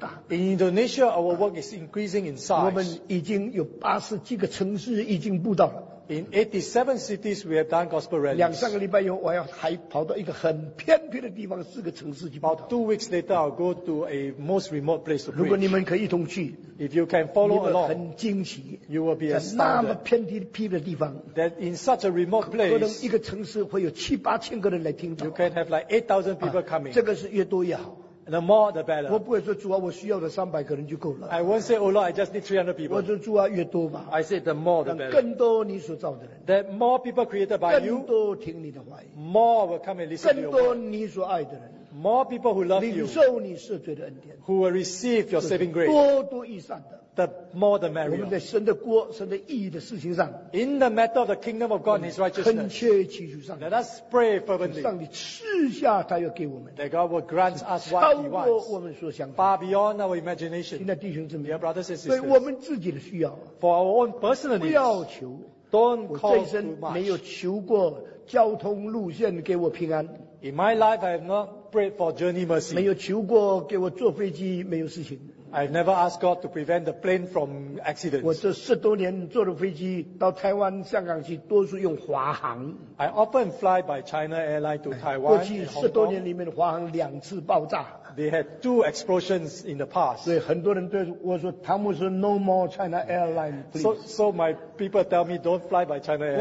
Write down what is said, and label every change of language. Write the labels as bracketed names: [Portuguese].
[English] In Indonesia, our work is increasing in size. [Chinese] 我们已经有80几个城市已经布道了。 [English] In 87 cities, we have done gospel rallies. [Chinese] 两三个礼拜以后，我要还跑到一个很偏僻的地方，四个城市去跑。 [English] 2 weeks later, I'll go to a most remote place to preach. [Chinese] 如果你们可以一同去, [English] if you can follow along, [Chinese] 很惊奇, [English] you will be astounded. [Chinese] 在那么偏僻的地方, [English] that in such a remote place, [Chinese] 可能一个城市会有7-8千个人来听到。 [English] You can have like 8,000 people coming. [Chinese] 这个是越多越好。 [English] The more, the better. [Chinese] 我不会说主啊，我需要的300个人就够了。 [English] I won't say, oh Lord, I just need 300 people. [Chinese] 我说主啊，越多嘛。 [English] I say, the more, the better. [Chinese] 让更多你所造的人。 [English] That more people created by you. [Chinese] 更多听你的话语。 [English] More will come and listen to you. [Chinese] 更多你所爱的人。 [English] More people who love you. [Chinese] 领受你赦罪的恩典。 [English] Who will receive your saving grace. [Chinese] 多多益善的。 [English] The more the merrier. [Chinese] 我们在神的国，神的义的事情上。 [English] In the matter of the kingdom of God and his righteousness. [Chinese] 恳切祈求上帝。 [English] Let us pray fervently. [Chinese] 上帝赐下他要给我们。 [English] That God will grant us what he wants. [Chinese] 超过我们所想的。 [English] Far beyond our imagination. [Chinese] 亲爱的弟兄姊妹。 [English] Dear brothers and sisters. [Chinese] 对我们自己的需要。 [English] For our own personal needs. [Chinese] 不要求。 [English] Don't call too much. [Chinese] 我这一生没有求过交通路线给我平安。 [English] In my life, I have not prayed for journey mercy. [Chinese] 没有求过给我坐飞机没有事情。 [English] I've never asked God to prevent the plane from accidents. [Chinese] 我这10多年坐的飞机到台湾、香港去，多数用华航。 [English] I often fly by China Airlines to Taiwan. [Chinese] 过去十多年里面，华航两次爆炸。 [English] They had 2 explosions in the past. [Chinese] 对，很多人对我说，汤姆说 [English] No more China Airlines, please. So my people tell me don't fly by China Airlines.